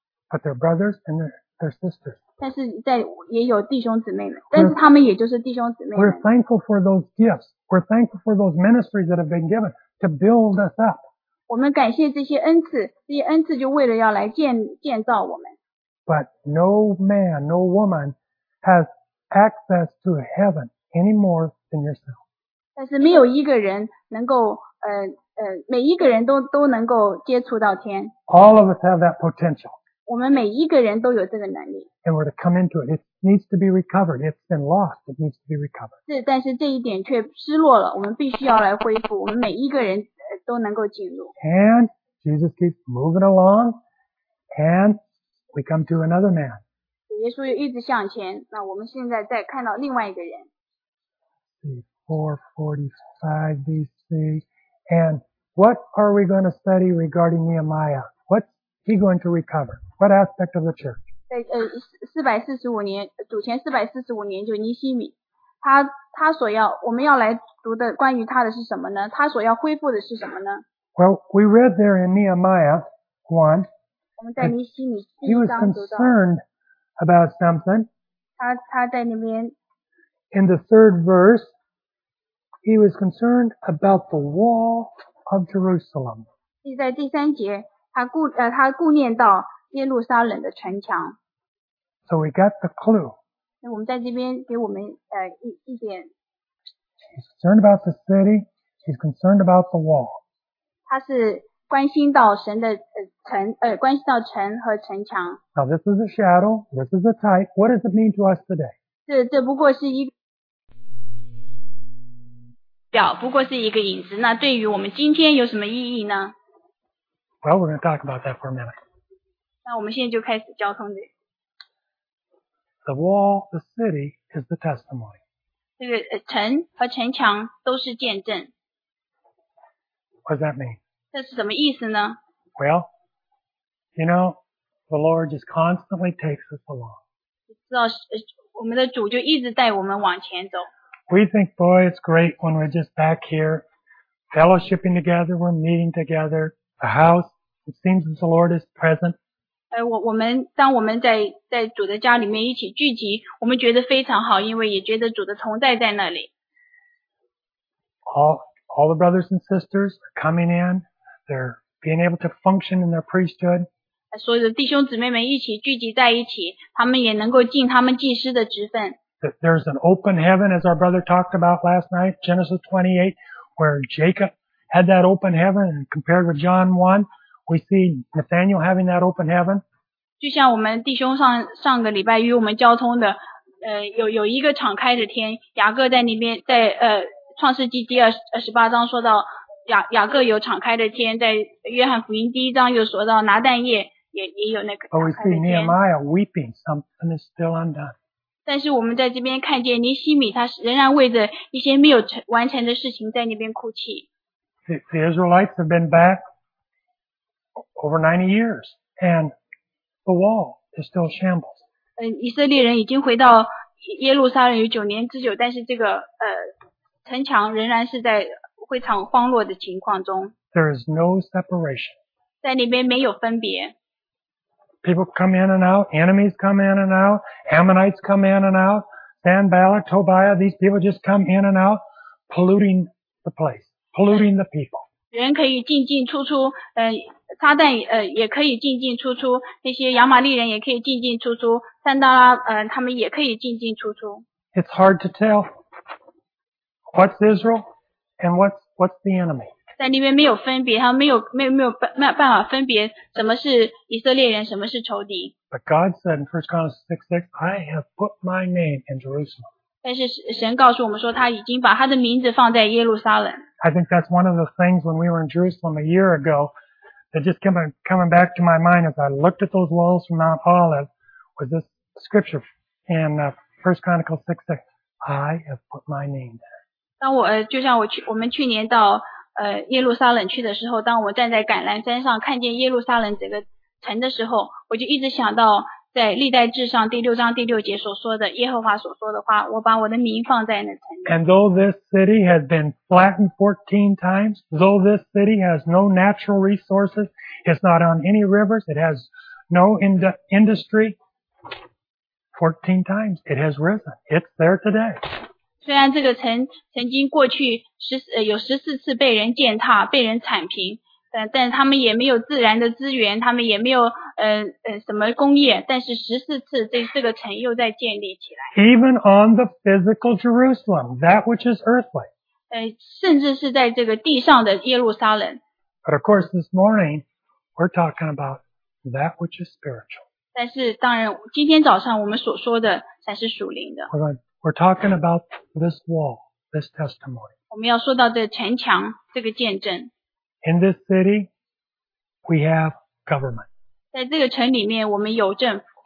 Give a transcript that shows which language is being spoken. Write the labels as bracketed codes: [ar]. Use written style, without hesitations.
[en] But they're brothers and they're sisters. [zh] 但是也有弟兄姊妹们，但是他们也就是弟兄姊妹们。 [en] We're thankful for those gifts. We're thankful for those ministries that have been given to build us up. [zh] 我们感谢这些恩赐，这些恩赐就为了要来建造我们。 [en] But no man, no woman has access to heaven any more than yourself. [zh] 但是没有一个人能够每一个人都能够接触到天。 [en] All of us have that potential. [zh] 我们每一个人都有这个能力。 [en] And we're to come into it. It needs to be recovered. It's been lost. It needs to be recovered. [zh] 是，但是这一点却失落了。我们必须要来恢复。我们每一个人都能够进入。 [en] And Jesus keeps moving along, and we come to another man. [zh] 耶稣又一直向前。那我们现在再看到另外一个人。 [en] 445 BC. And what are we going to study regarding Nehemiah? What's he going to recover? What aspect of the church? [zh] 445年就尼希米，他所要，我们要来读的关于他的是什么呢？他所要恢复的是什么呢？ [en] Well, we read there in Nehemiah 1. [zh] 我们在尼希米第一章读到。 [en] He was concerned about something. [zh] 他在那边。 [en] In the third verse,He was concerned about the wall of Jerusalem. [zh] 在第三节，他顾念到耶路撒冷的城墙。 [en] So we got the clue. [zh] 那我们在这边给我们一点。 [en] He's concerned about the city. He's concerned about the wall. [zh] 他是关心到神的关心到城和城墙。 [en] Now this is a shadow. This is a type. What does it mean to us today? [zh] 这不过是一个。不过是一个影子，那对于我们今天有什么意义呢？ [en] Well, we're going to talk about that for a minute. [zh] 那我们现在就开始交通的。 [en] The wall, the city, is the testimony. [zh] 这个城和城墙都是见证。 [en] What does that mean? [zh] 这是什么意思呢？ [en] Well, you know, the Lord just constantly takes us along. [zh] 你知道，我们的主就一直带我们往前走。 [en] We think, boy, it's great when we're just back here, fellowshipping together, we're meeting together, the house, it seems that the Lord is present. [zh] 当我们在主的家里面一起聚集，我们觉得非常好，因为也觉得主的同在那里。 [en] All the brothers and sisters are coming in, they're being able to function in their priesthood. [zh] 所有的弟兄姊妹们一起聚集在一起，他们也能够尽他们祭司的职分。 [en] That there's an open heaven, as our brother talked about last night, Genesis 28, where Jacob had that open heaven, and compared with John 1, we see Nathaniel having that open heaven. [zh] 就像我们弟兄上个礼拜与我们交通的，有一个敞开的天，雅各在那边，在创世纪第28章说到雅各有敞开的天，在约翰福音第一章又说到拿但业也有那个敞开的天。 [en] But we see Nehemiah weeping, something is still undone. [zh] 但是我们在这边看见尼希米，他仍然为着一些没有完成的事情在那边哭泣。 [en] The Israelites have been back over 90 years, and the wall is still shambles. [zh] 以色列人已经回到耶路撒冷有九年之久，但是这个城墙仍然是在非常荒落的情况中。 [en] There is no separation. [zh] 在那边没有分别。 [en] People come in and out, enemies come in and out, Ammonites come in and out, Sanballat, Tobiah, these people just come in and out, polluting the place, polluting the people. [zh] 人可以进进出出，撒旦也可以进进出出，那些亚玛利人也可以进进出出，撒旦他们也可以进进出出。 [en] It's hard to tell what's Israel and what's the enemy. [zh] 在那边没有分别，他没有办法分别什么是以色列人，什么是仇敌。 [en] But God said in 1 Chronicles 6:6, I have put my name in Jerusalem. [zh] 但是神告诉我们说，他已经把他的名字放在耶路撒冷。 [en] I think that's one of the things when we were in Jerusalem a year ago that just coming back to my mind as I looked at those walls from Mount Olive was this scripture in 1 Chronicles 6:6, I have put my name there. [zh] 当我就像我们去年到耶路撒冷去的时候，当我站在橄榄山上看见耶路撒冷整个城的时候，我就一直想到在历代志上第六章第六节所说的耶和华所说的话，我把我的名放在那城。 [en] And though this city has been flattened 14 times, though this city has no natural resources, it's not on any rivers, it has no industry, 14 times it has risen. It's there today. [zh] 虽然这个城曾经过去有14次被人践踏被人铲平，但他们也没有自然的资源，他们也没有什么工业，但是14次这个城又在建立起来。 [en] Even on the physical Jerusalem, that which is earthly. [zh] 甚至是在这个地上的耶路撒冷。 [en] But of course this morning, we're talking about that which is spiritual. [zh] 但是当然今天早上我们所说的才是属灵的。 [en] We're talking about this wall, this testimony. [zh] 我们要说到的城墙这个见证。 [en] In this city, we have government. [zh] 在这个城里面我们有政府。